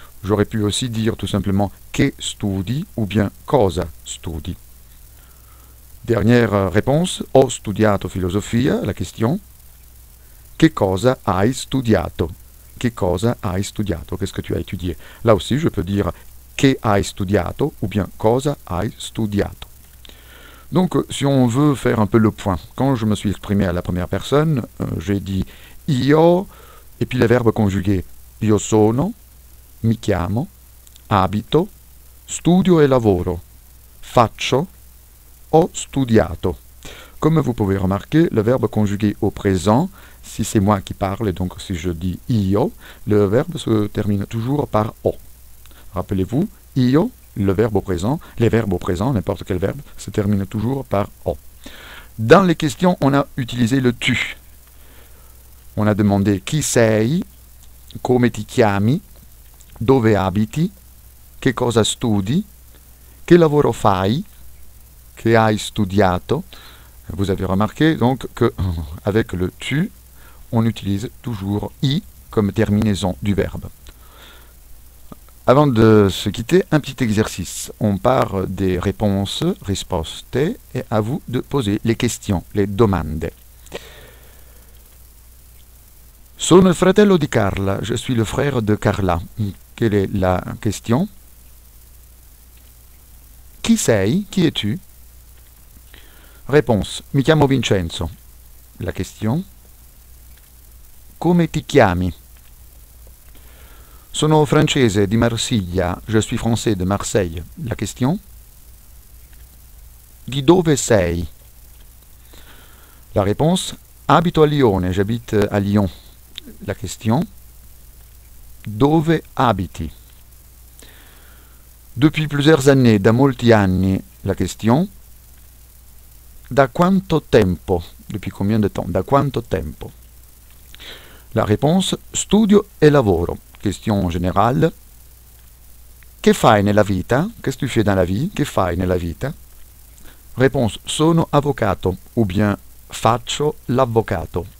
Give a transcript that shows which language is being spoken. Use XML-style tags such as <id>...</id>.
<fr>J'aurais pu aussi dire tout simplement</fr> <it>che studi</it> <fr>ou bien</fr> <it>cosa studi.</it> <fr>Dernière réponse,</fr> <it>ho studiato filosofia,</it> <fr>la question.</fr> <it>Che cosa hai studiato? Che cosa hai studiato?</it> <fr>Qu'est-ce que tu as étudié? Là aussi, je peux dire</fr> <it>che hai studiato</it> <fr>ou bien</fr> <it>cosa hai studiato.</it> <fr>Donc, si on veut faire un peu le point, quand je me suis exprimé à la première personne, j'ai dit io, et puis les verbes conjugués,</fr> <it>io sono, mi chiamo, abito, studio e lavoro, faccio, ho studiato.</it> <fr>Comme vous pouvez remarquer, le verbe conjugué au présent, si c'est moi qui parle, et donc si je dis io, le verbe se termine toujours par o. Rappelez-vous, io, le verbe au présent, les verbes au présent, n'importe quel verbe, se termine toujours par o. Dans les questions, on a utilisé le tu. On a demandé</fr> <it>chi sei, come ti chiami, dove abiti, che cosa studi, che lavoro fai, che hai studiato.</it> <fr>Vous avez remarqué donc que avec le tu, on utilise toujours i comme terminaison du verbe. Avant de se quitter, un petit exercice. On part des réponses, risposte, et à vous de poser les questions, les domande.</fr> <it>Sono il fratello di Carla.</it> <fr>Je suis le frère de Carla. Quelle est la question?</fr> <it>Chi sei?</it> <fr>Qui es-tu? Réponse.</fr> <it>Mi chiamo Vincenzo.</it> <fr>La question.</fr> <it>Come ti chiami? Sono francese di Marsiglia.</it> <fr>Je suis français de Marseille. La question.</fr> <it>Di dove sei?</it> <fr>La réponse.</fr> <it>Abito a Lione.</it> <fr>J'habite à Lyon. La question.</fr> <it>Dove abiti?</it> <fr>Depuis plusieurs années,</fr> <it>da molti anni.</it> <fr>La question.</fr> <it>Da quanto tempo?</it> <fr>Depuis combien de temps?</fr> <it>Da quanto tempo?</it> <fr>La réponse.</fr> <it>Studio e lavoro.</it> <fr>Question générale.</fr> <it>Che fai nella vita?</it> <fr>Qu'est-ce que tu fais dans la vie?</fr> <it>Che fai nella vita?</it> <fr>Réponse.</fr> <it>Sono avvocato.</it> <fr>Ou bien</fr> <it>faccio l'avvocato.</it>